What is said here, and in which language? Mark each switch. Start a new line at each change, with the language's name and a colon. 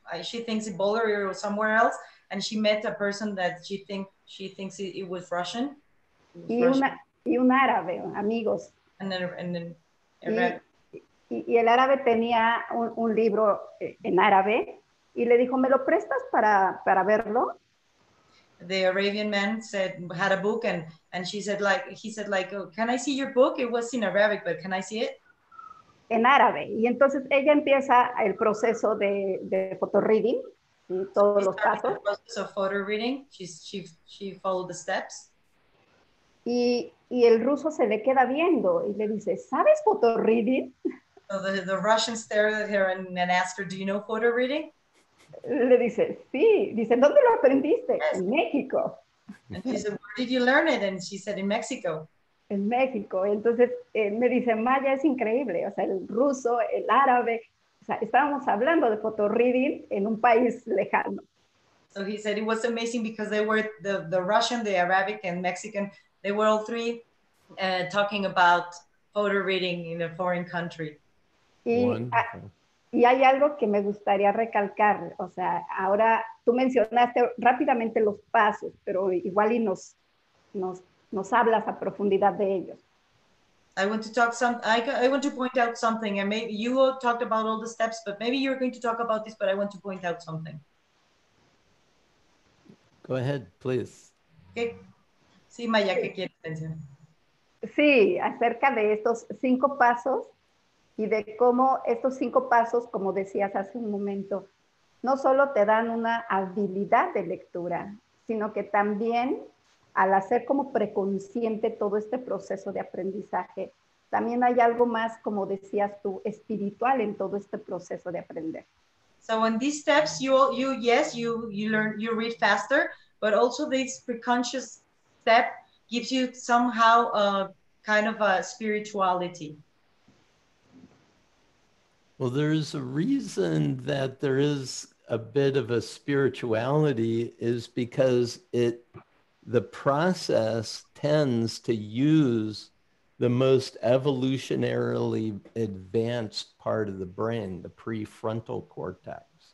English: She thinks in Bulgaria or somewhere else, and she met a person that she thinks it was Russian.
Spanish: Y un árabe, amigos.
English: And then
Spanish: el árabe tenía un libro en árabe, y le dijo, ¿me lo prestas para verlo?
English: The Arabian man had a book, and he said, oh, can I see your book? It was in Arabic, but can I see it?
Spanish: En árabe. Y entonces ella empieza el proceso de photo reading, ¿sí? Todos los pasos.
English: The process of photo reading. She followed the steps.
Spanish: Y el ruso se le queda viendo y le dice, ¿sabes photo reading?
English: So the Russian stared at her and asked her, do you know photo reading?
Spanish: Le dice, sí. Dice, ¿dónde lo aprendiste?
English: Yes.
Spanish: En México.
English: And she said, where did you learn it? And she said, in Mexico.
Spanish: en México. Entonces me dice, Maya, es increíble, o sea, el ruso, el árabe, o sea, estábamos hablando de photo reading en un país lejano.
English: So he said it was amazing because they were the Russian, the Arabic and Mexican, they were all three talking about photo reading in a foreign country.
Spanish: Y hay algo que me gustaría recalcar, o sea, ahora tú mencionaste rápidamente los pasos, pero igual y nos hablas a profundidad de ellos.
English: I want to point out something, and maybe you all talked about all the steps, but maybe you're going to talk about this, but I want to point out something. Go ahead, please.
Spanish: Okay. Sí, Maya, ¿qué quieres decir? Sí, acerca de estos cinco pasos, y de cómo estos cinco pasos, como decías hace un momento, no solo te dan una habilidad de lectura, sino que también al hacer como preconsciente todo este proceso de aprendizaje, también hay algo más, como decías tú, espiritual en todo este proceso de aprender.
English: So in these steps, you read faster, but also this preconscious step gives you somehow a kind of a spirituality. Well, there's a reason that there is a bit of a spirituality is because the process tends to use the most evolutionarily advanced part of the brain, the prefrontal cortex.